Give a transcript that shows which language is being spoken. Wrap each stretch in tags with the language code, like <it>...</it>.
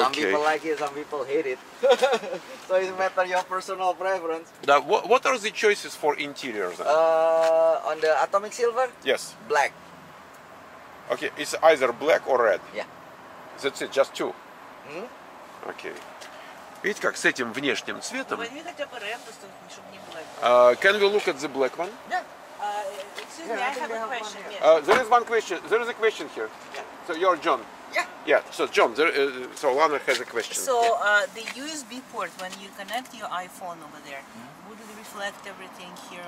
<en>Some people like it, some people hate it. So it's matter your personal preference. Да, what are the choices for interiors? On the atomic silver? Yes. Black. Okay, it's either black or red. Yeah. That's it, just two. Mm-hmm. Okay.</en> <ru>Видите, как с этим внешним цветом? Возьми хотя бы red, чтобы не было.</ru> <en>Can we look at the black one? Yeah. There is a question here. Yeah. So you're John. Yeah. Yeah. So John, so Lana has a question. So the USB port, when you connect your iPhone over there, mm-hmm. would it reflect everything here?</en>